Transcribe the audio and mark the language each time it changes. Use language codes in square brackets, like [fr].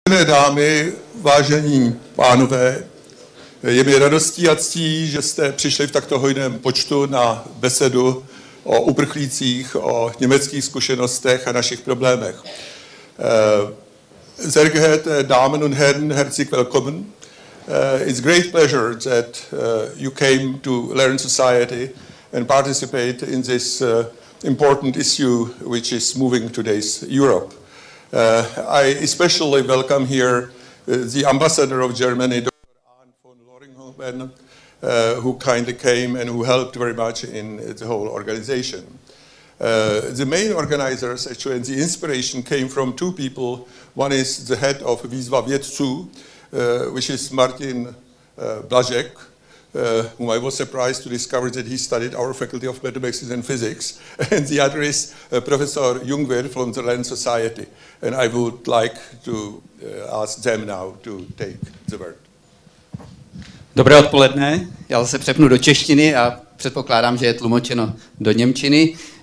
[cs] Vážené dámy, vážení pánové, je mi radostí a ctí, že jste přišli v takto hojném počtu na besedu o uprchlících, o německých zkušenostech a našich problémech. [de] Sehr geehrte Damen und Herren, herzlich willkommen. [en] It's great pleasure that you came to Learn Society and participate in this important issue which is moving today's Europe. I especially welcome here the ambassador of Germany, Dr. Arne von Loringhoven, who kindly came and who helped very much in the whole organization. The main organizers, actually, and the inspiration came from two people. One is the head of Výzva Vědců, which is Martin Blažek, whom I was surprised to discover that he studied our Faculty of Mathematics and Physics, and the other is Professor Jungwirth from the Learn Society. And I would like to ask them now to take the word. [cs] Dobré odpoledne. Já se přepnu do češtiny a předpokládám, že je tlumočeno do němčiny.